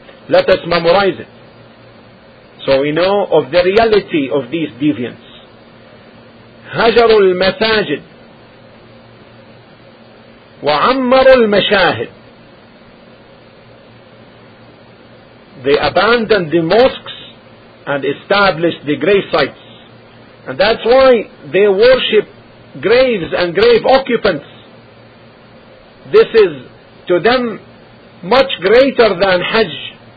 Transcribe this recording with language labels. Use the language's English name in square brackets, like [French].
[English] Let us memorize it, so we know of the reality of these deviants. [Arabic] هجروا المساجد وعمروا المشاهد. [English] They abandoned the mosques and established the grave sites. And that's why they worship graves and grave occupants. This is to them much greater than Hajj.